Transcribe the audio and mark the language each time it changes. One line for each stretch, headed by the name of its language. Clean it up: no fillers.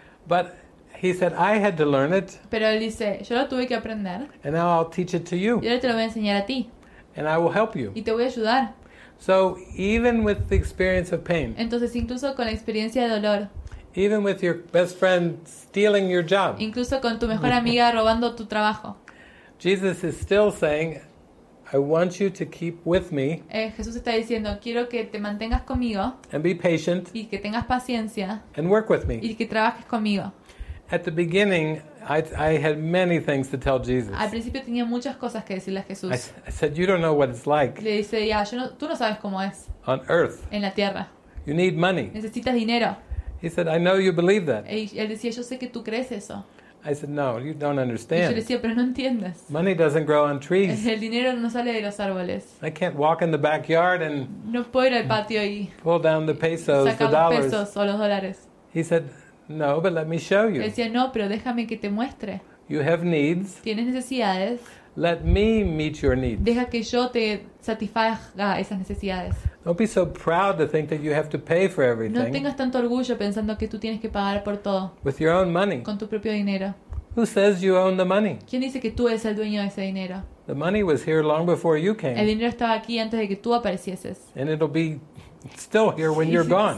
English: But he said, "I had to learn it."
Spanish: Pero él dice, yo lo tuve que aprender.
English: And now I'll teach it to you.
Spanish: Y ahora te lo voy a enseñar a ti.
English: And I will help you.
Spanish: Y te voy a ayudar.
English: So even with the experience of pain.
Spanish: Entonces incluso con la experiencia de dolor.
English: Even with your best friend stealing your job.
Spanish: Incluso con tu mejor amiga robando tu trabajo.
English: Jesus is still saying, "I want you to keep with me."
Spanish: Jesús está diciendo, quiero que te mantengas conmigo.
English: And be patient.
Spanish: Y que tengas paciencia.
English: And work with me.
Spanish: Y que trabajes conmigo.
English: At the beginning, I had many things to tell Jesus.
Spanish: Al principio tenía muchas cosas que decirle a Jesús.
English: I said, "You don't know what it's like."
Spanish: Le dice, ya, tú no sabes cómo es.
English: On earth.
Spanish: En la tierra.
English: You need money.
Spanish: Necesitas dinero.
English: He said, "I know you believe that."
Spanish: Él decía, yo sé que tú crees eso.
English: I said, "No, you don't understand."
Spanish: Y yo decía, pero no entiendes.
English: Money doesn't grow on trees.
Spanish: El dinero no sale de los árboles.
English: I can't walk in the backyard and
Spanish: no puedo ir al patio y
English: pull down the pesos,
Spanish: sacar
English: the dollars.
Spanish: Los pesos o los dólares.
English: He said, "No, but let me show you."
Spanish: Él decía, no, pero déjame que te muestre.
English: You have needs.
Spanish: Tienes necesidades.
English: Let me meet your needs.
Spanish: Deja que yo te satisfaga esas necesidades.
English: Don't be so proud to think that you have to pay for everything.
Spanish: No tengas tanto orgullo pensando que tú tienes que pagar por todo.
English: With your own money.
Spanish: Con tu propio dinero.
English: Who says you own the money?
Spanish: ¿Quién dice que tú eres el dueño de ese dinero?
English: The money was here long before you came.
Spanish: El dinero estaba aquí antes de que tú aparecieses.
English: And it'll be still here when you're gone.